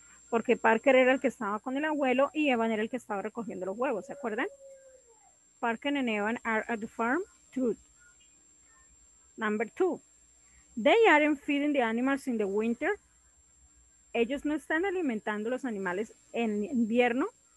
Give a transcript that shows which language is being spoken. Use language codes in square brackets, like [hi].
[es] Porque Parker era el que estaba con el abuelo y Evan era el que estaba recogiendo los huevos. ¿Se acuerdan? [en] Parker and Evan are at the farm. True. Number two, they aren't feeding the animals in the winter. [es] Ellos no están alimentando los animales en invierno.